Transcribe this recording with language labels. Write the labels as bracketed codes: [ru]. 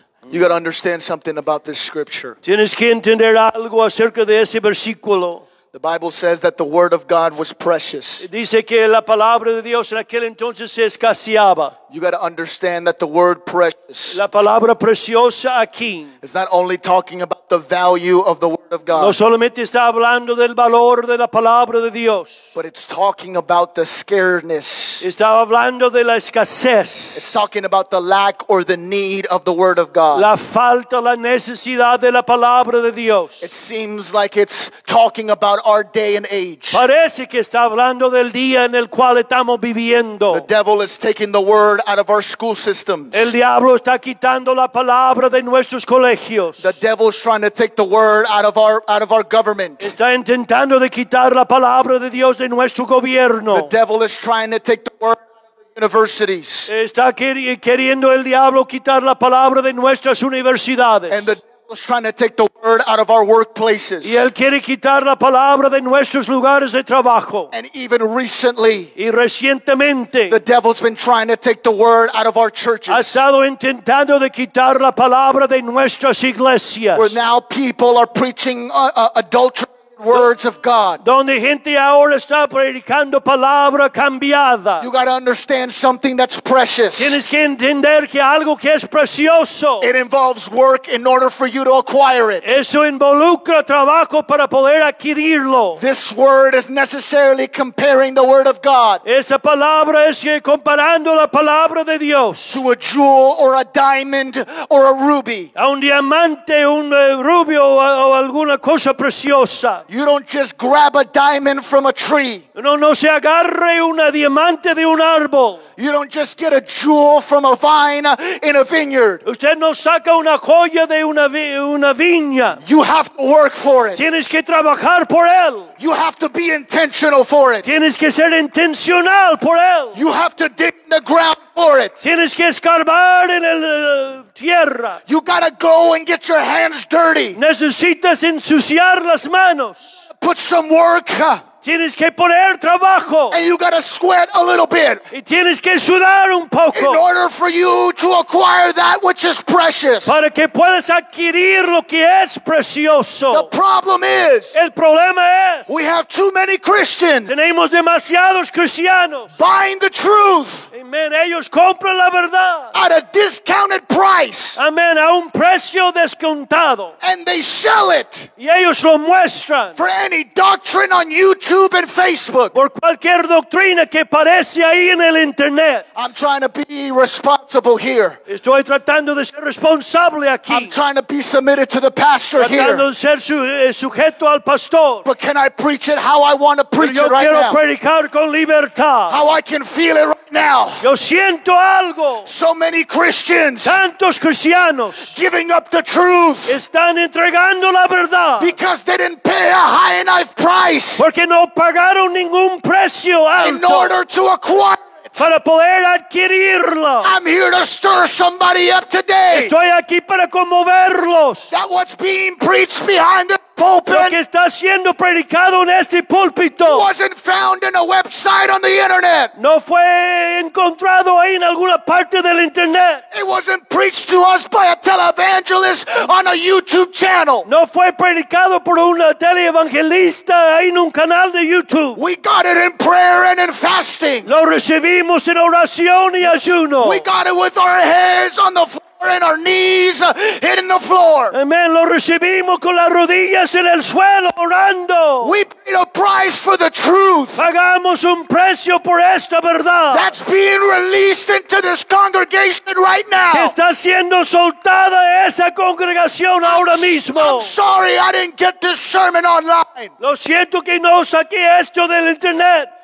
[en] You got to understand something about this scripture. [es] Tienes que entender algo acerca de ese versículo. [en] The Bible says that the word of God was precious. [es] Dice que la palabra de Dios en aquel entonces se escaseaba. [en] You got to understand that the word precious. [es] La palabra preciosa aquí. [en] It's not only talking about the value of the word of God. [es] No solamente está hablando del valor de la palabra de Dios. [en] But it's talking about the scaredness. [es] Está hablando de la escasez. [en] It's talking about the lack or the need of the word of God. [es] La falta, la necesidad de la palabra de Dios. [en] It seems like it's talking about our day and age. [es] Parece que está hablando del día en el cual estamos viviendo. [en] The devil is taking the word out of our school systems. [es] El diablo está quitando la palabra de nuestros colegios. [en] The devil's trying to take the word out of our government. [es] Está intentando de quitar la palabra de Dios de nuestro gobierno. [en] The devil is trying to take the word out of universities. [es] Está queriendo el diablo quitar la palabra de nuestras universidades. [en] And the devil is trying to take the word out of our workplaces. [es] Y él quiere quitar la palabra de nuestros lugares de trabajo. [en] And even recently, [es] y recientemente, [en] the devil's been trying to take the word out of our churches. [es] Ha estado intentando de quitar la palabra de nuestras iglesias. [en] Where now people are preaching adultery. Words of God. [es] Donde gente ahora está predicando palabra cambiada. [en] You got to understand something that's precious. [es] Tienes que entender que algo que es precioso. [en] It involves work in order for you to acquire it. [es] Eso involucra trabajo para poder adquirirlo. [en] This word is necessarily comparing the word of God. [es] Esa palabra es que comparando la palabra de Dios. [en] To a jewel or a diamond or a ruby. [es] A un diamante, un rubio o alguna cosa preciosa. [en] You don't just grab a diamond from a tree. [es] No se agarre una diamante de un árbol. [en] You don't just get a jewel from a vine in a vineyard. [es] Usted no saca una joya de una viña. [en] You have to work for it. [es] Tienes que trabajar por él. [en] You have to be intentional for it. [es] Tienes que ser intencional por él. [en] You have to dig in the ground for it. [es] Tienes que escarbar en el tierra. [en] You gotta go and get your hands dirty. [es] Necesitas ensuciar las manos. [en] Put some work. [es] Tienes que poner trabajo. [en] And you gotta sweat a little bit. [es] Y tienes que sudar un poco. [en] In order for you to acquire that which is precious. [es] Para que puedas adquirir lo que es precioso. [en] The problem is. [es] El problema es. [en] We have too many Christians. [es] Tenemos demasiados cristianos. [en] Buying the truth. [es] Amen. Ellos compran la verdad. [en] At a discounted price. [es] Amen. A un precio descontado. [en] And they sell it. [es] Y ellos lo muestran. [en] For any doctrine on YouTube. YouTube and Facebook. [es] Por cualquier doctrina que aparece ahí en el internet. [en] I'm trying to be responsible here. [es] Estoy tratando de ser responsable aquí. [en] I'm trying to be submitted to the pastor [es] tratando [en] here. [es] Tratando de ser sujeto al pastor. [en] But can I preach it how I want to preach [es] yo [en] it right [es] quiero [en] now? [es] Predicar con libertad. [en] How I can feel it right now. [es] Yo siento algo. [en] So many Christians. [es] Tantos cristianos. [en] Giving up the truth. [es] Están entregando la verdad. [en] Because they didn't pay a high enough price. [es] Porque no pagaron ningún precio alto. [en] In order to acquire. [es] Para poder adquirirlo. [en] I'm here to stir somebody up today. [es] Estoy aquí para conmoverlos. [en] That what's being preached behind the pulpit. [es] Lo que está siendo predicado en este púlpito. [en] Wasn't found in a website on the internet. [es] No fue encontrado ahí en alguna parte del internet. [en] It wasn't preached to us by a televangelist on a YouTube channel. [es] No fue predicado por un televangelista ahí en un canal de YouTube. [en] We got it in prayer and in fasting. [es] Lo recibimos en oración y ayuno. [en] We got it with our hands on the floor. And our knees hitting the floor. Amen. [es] Lo recibimos con las rodillas en el suelo orando. [en] We paid a price for the truth. [es] Pagamos un precio por esta verdad. [en] That's being released into this congregation right now. [es] Está siendo soltada esa congregación ahora mismo. [en] I'm sorry I didn't get this sermon online. [es] Lo siento que no saqué esto del internet.